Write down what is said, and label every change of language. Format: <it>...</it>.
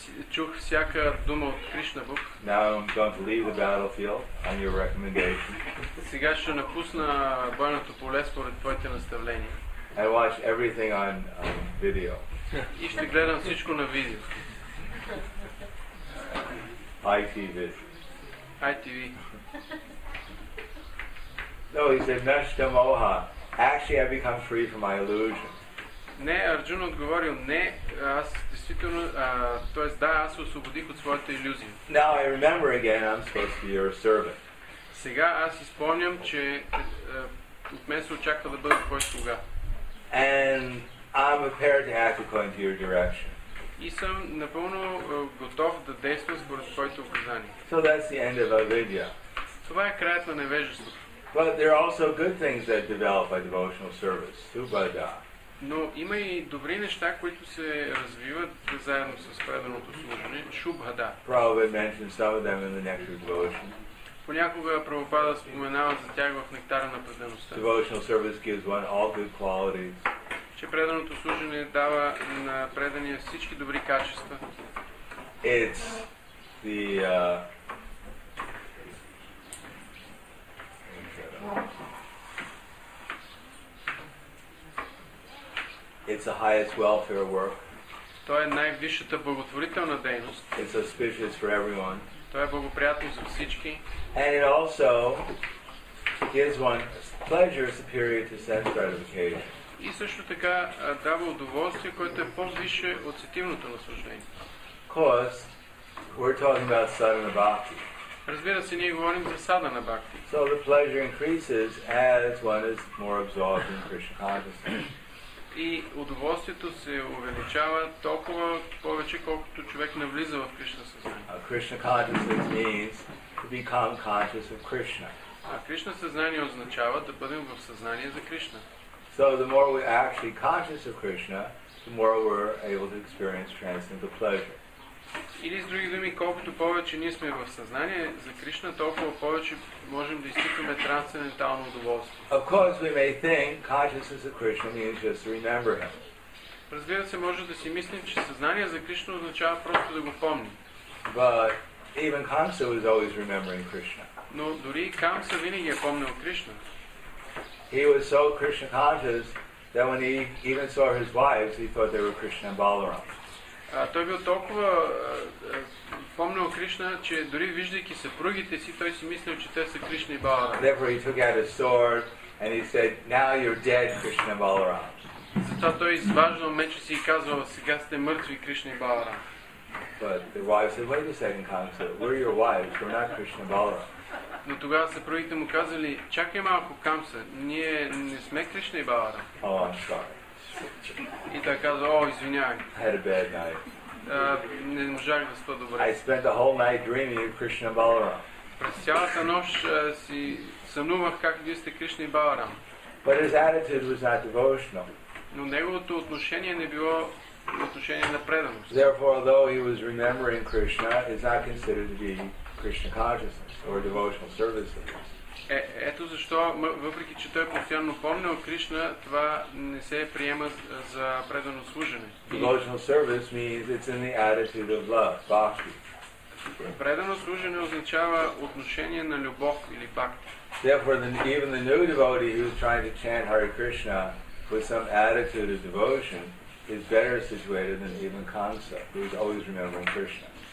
<bg>Чух всяка дума от Кришна бук.</bg> <en>Now I'm going to leave the battlefield on your recommendation.</en> <bg>Сега ще напусна бойното поле според твоите наставления.</bg> <en>I watch everything on video.</en> <bg>И ще гледам всичко на видео.</bg> <en>ITV. No, he said, Nashta Moha. Actually, I've become free from my illusion.</en> <bg>Не, Арджуна отговорил, не, аз действително, т.е. да, аз освободих от своята иллюзия.</bg> <en>Now I remember again, I'm supposed to be your servant.</en> <bg>Сега аз изпомням, че от мен се очаква да бъда твой слуга.</bg> <en>And I'm prepared to act according to your direction.</en> <bg>И съм напълно готов да действам според своите указания.</bg> <en>So that's the end of avidya.</en> <bg>Това е краят на невежеството.</bg> <en>But there are also good things that develop by devotional service.</en> <sa>Subhada.</sa> <bg>Но има и добри неща, които се развиват заедно с преданото служение. Шубхада.</bg> <en>Prabhupada mentioned some of them in the nectar of devotion.</en> <bg>Понякога Прабхупада споменава за тях в нектара на предаността.</bg> <en>Devotional service gives one all good qualities.</en> <bg>Че преданото служене дава на предания всички добри качества.</bg> <en>It's the It's the highest welfare work.</en> <bg>То е най-висшата благотворителна дейност.</bg> <en>It's auspicious for everyone.</en> <bg>То е благоприятно за всички.</bg> <en>And it also gives one pleasure superior to sense gratification.</en> <bg>И също така дава удоволствие, което е по-више от сетивното наслаждение.</bg> <en>Because we're talking about sadhana bhakti.</en> <bg>Разбира се, ние говорим за sadhana bhakti.</bg> <en>So the pleasure increases as one is more absorbed in Krishna consciousness.</en> <bg>И удоволствието се увеличава толкова повече, колкото човек навлиза в Кришна съзнание.</bg> <en>Krishna consciousness means to become conscious of Krishna.</en> <bg>А Кришна съзнание означава да бъдем в съзнание за Кришна.</bg> <en>So the more we're actually conscious of Krishna, the more we're able to experience transcendental pleasure.</en> <bg>Или с други думи, колкото повече ние сме в съзнание за Кришна, толкова повече можем да изпитваме трансцендентално удоволствие.</bg> <en>Of course we may think consciousness of Krishna means just to remember him.</en> <bg>Разбира се, може да си мислим, че съзнание за Кришна означава просто да го помним.</bg> <en>But even Kamsa was always remembering Krishna.</en> <bg>Но дори Камса винаги е помнил Кришна.</bg> <en>He was so Krishna conscious that when he even saw his wives, he thought they were Krishna and Balaram.</en> <bg>Той бил толкова помнил Кришна, че дори виждайки съпругите си, той си мислил, че те са Кришна и Баларам.</bg> <en>Therefore he took out his sword and he said, "Now you're dead, Krishna and Balaram."</en> <bg>Затова той изваждал меча си и казвал, "Сега сте мъртви, Кришна и Баларам."</bg> <en>But the wives said, "Wait a second, Kamsa, we're your wives, we're not Krishna and Balaram."</en> <bg>Но тогава съпругите му казали, "Чакай малко, Камса, ние не сме Кришна и Баларам."</bg> <en>Oh, I'm sorry.</en> <bg>И той каза, о, извинявай.</bg> <en>I had a bad night.</en> <bg>Не можах да спа добре.</bg> <en>I spent the whole night dreaming of Krishna and Balaram.</en> <bg>През цялата нощ си сънувах как вие сте Кришна и Баларам.</bg> <en>But his attitude was not devotional.</en> <bg>Но неговото отношение не било отношение на преданост.</bg> <en>Therefore, though he was remembering Krishna, it's not considered to be Krishna consciousness or devotional service.</en> <bg>Ето защо, въпреки че той постоянно помнил Кришна, това не се приема за предано служене.</bg> <en>Devotional service means it's in the attitude of love, bhakti.</en> <bg>Предано служене означава отношение на любов или бхакти.</bg> <en>Therefore, even the new devotee who is trying to chant Hare Krishna with some attitude of devotion is better situated than even Kamsa, who is always remembering Krishna.</en>